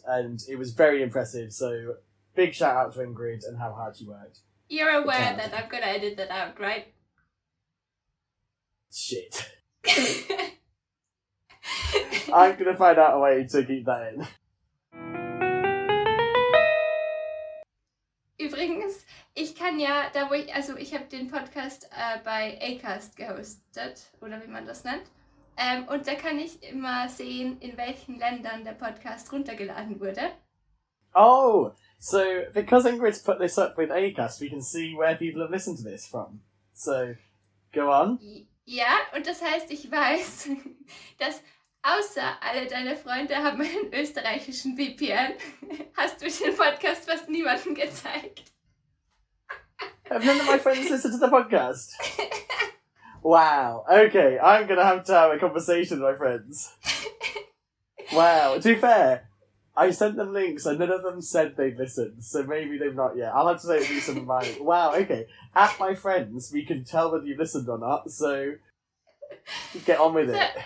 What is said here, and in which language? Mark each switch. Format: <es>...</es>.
<en>And it was very impressive. So big shout out to Ingrid and how hard she worked. You're aware that I've got to edit that out, right? Shit. I'm going to find out a way to keep that in.</en> <de>Übrigens, ich kann ja, da wo ich, also ich habe den Podcast bei Acast gehostet, oder wie man das nennt. Und da kann ich immer sehen, in welchen Ländern der Podcast runtergeladen wurde.</de> <en>Oh, so because Ingrid's put this up with Acast, we can see where people have listened to this from. So, go on.</en> <de>Ja, und das heißt, ich weiß, dass außer alle deine Freunde haben einen österreichischen VPN, hast du den Podcast fast niemandem gezeigt.</de> <en>Have none of my friends listened to the podcast? Wow. Okay, I'm going to have a conversation with my friends. Wow. To be fair, I sent them links and none of them said they'd listen, so maybe they've not yet. I'll have to say it through some of my... Wow, okay. At my friends, we can tell whether you've listened or not, so get on with it.</en>